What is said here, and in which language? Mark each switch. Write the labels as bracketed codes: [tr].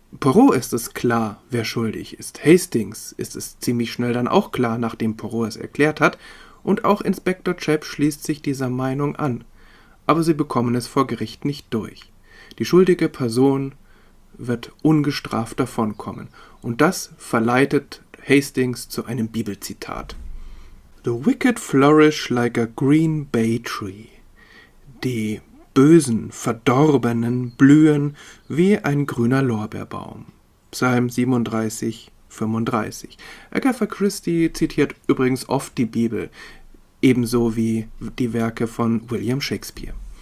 [de] Poirot ist es klar, wer schuldig ist. Hastings ist es ziemlich schnell dann auch klar, nachdem Poirot es erklärt hat. Und auch Inspektor Chap schließt sich dieser Meinung an. Aber sie bekommen es vor Gericht nicht durch. Die schuldige Person wird ungestraft davonkommen. Und das verleitet Hastings zu einem Bibelzitat. [en] The wicked flourish like a green bay tree. [de] Die bösen, verdorbenen blühen wie ein grüner Lorbeerbaum. Psalm 37, 35. Agatha Christie zitiert übrigens oft die Bibel, ebenso wie die Werke von William Shakespeare.